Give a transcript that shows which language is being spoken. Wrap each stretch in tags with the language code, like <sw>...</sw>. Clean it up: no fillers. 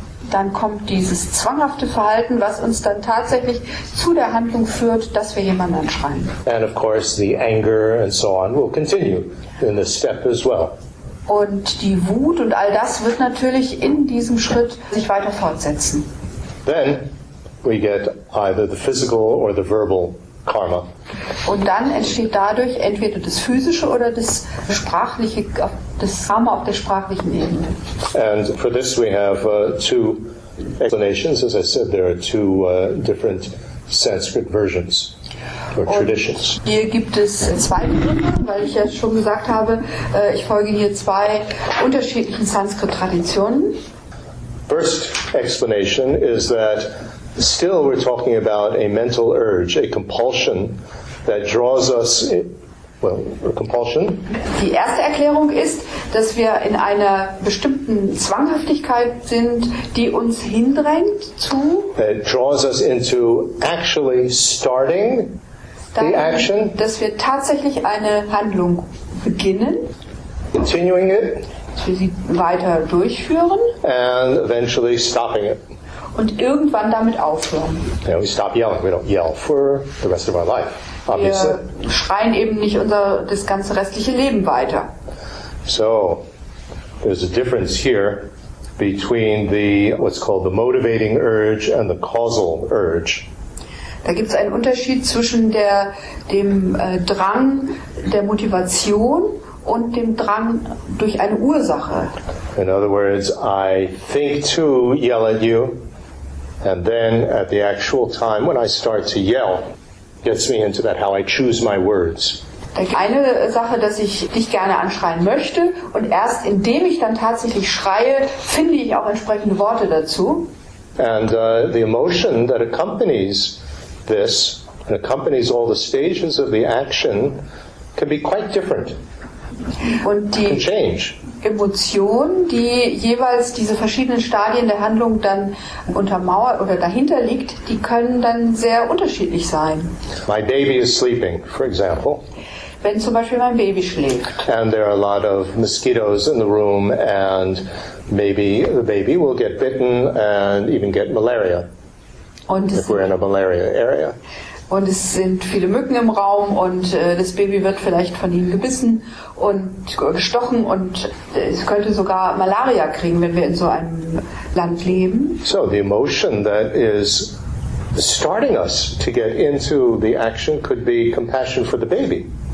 <de>Dann kommt dieses zwanghafte Verhalten, was uns dann tatsächlich zu der Handlung führt, dass wir jemanden anschreien.</de> <en>And of course the anger and so on will continue in this step as well.</en> <de>Und die Wut und all das wird natürlich in diesem Schritt sich weiter fortsetzen.</de> <en>Then we get either the physical or the verbal karma.</en> <de>Und dann entsteht dadurch entweder das physische oder das sprachliche, das Karma auf der sprachlichen Ebene.</de> <en>And for this we have two explanations. As I said, there are two different Sanskrit versions or traditions.</en> <de>Und hier gibt es zwei Gründe, weil ich ja schon gesagt habe, ich folge hier zwei unterschiedlichen Sanskrit-Traditionen.</de> <en>First explanation is that still we're talking about a mental urge, a compulsion that draws us in, well, a compulsion.</en> <de>Die erste Erklärung ist, dass wir in einer bestimmten Zwanghaftigkeit sind, die uns hindrängt zu,</de> <en>that draws us into actually starting the action,</en> <de>dass wir tatsächlich eine Handlung beginnen,</de> <en>continuing it,</en> <de>dass wir sie weiter durchführen,</de> <en>and eventually stopping it.</en> <de>Und irgendwann damit aufhören.</de> <en>Yeah, we stop yelling. We don't yell for the rest of our life, obviously.</en> <de>Wir schreien eben nicht unser das ganze restliche Leben weiter.</de> <en>So, there's a difference here between the what's called the motivating urge and the causal urge.</en> <de>Da gibt's einen Unterschied zwischen dem Drang der Motivation und dem Drang durch eine Ursache.</de> <en>In other words, I think to yell at you. And then at the actual time when I start to yell, gets me into that, how I choose my words.</en> <de>Eine Sache, dass ich dich gerne anschreien möchte, und erst indem ich dann tatsächlich schreie, finde ich auch entsprechende Worte dazu.</de> <en>And the emotion that accompanies this, and accompanies all the stages of the action, can be quite different.</en> <de>Und die</de> <en>can change.</en> <de>Emotion, die jeweils diese verschiedenen Stadien der Handlung dann untermauert oder dahinter liegt, die können dann sehr unterschiedlich sein.</de> <en>My baby is sleeping, for example.</en> <de>Wenn zum Beispiel mein Baby schläft.</de> <en>And there are a lot of mosquitoes in the room and maybe the baby will get bitten and even get malaria.</en> <de>Und</de> <en>if we're in a malaria area.</en> <de>Und es sind viele Mücken im Raum und das Baby wird vielleicht von ihnen gebissen und gestochen und es könnte sogar Malaria kriegen, wenn wir in so einem Land leben.</de> <en>So the emotion that is starting us to get into the action could be compassion for the baby.</en>